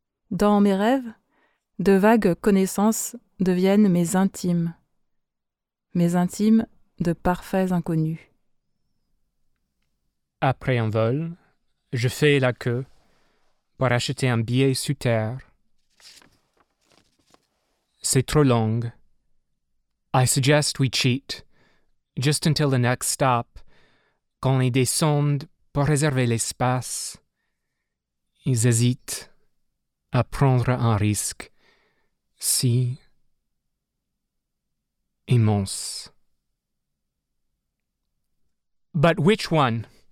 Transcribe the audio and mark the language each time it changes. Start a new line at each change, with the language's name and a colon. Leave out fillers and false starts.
French: Dans mes rêves, de vagues connaissances deviennent mes intimes de parfaits inconnus. Après un vol, je fais la queue pour acheter un billet sous terre. C'est trop long.
English: I suggest we cheat just until the next stop.
French: Quand ils descendent pour réserver l'espace, ils hésitent à prendre un risque si immense.
English: But which one?